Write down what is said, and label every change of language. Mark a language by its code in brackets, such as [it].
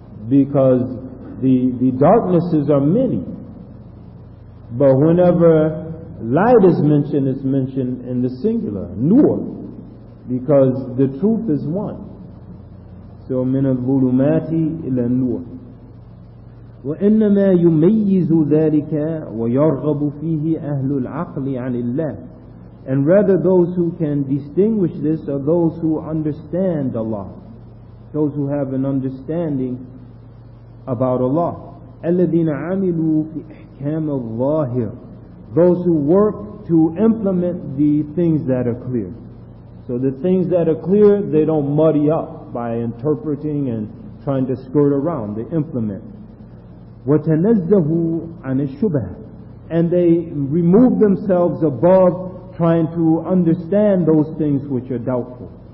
[en] Because the darknesses are many. But whenever light is mentioned, it's mentioned in the singular, nur. Because the truth is one. [ar] So, min al-bulumati ila nur. وإنما يميز ذلك ويرغب فيه أهل العقل عن الله. [en] And rather those who can distinguish this are those who understand Allah. Those who have an understanding about Allah. [ar] الذين عملوا في إحكام الظاهر. [en] Those who work to implement the things that are clear. So the things that are clear, they don't muddy up by interpreting and trying to skirt around. They implement. [ar] وَتَنَزَّهُ عَنِ الشُّبَهِ. [en] And they remove themselves above trying to understand those things which are doubtful.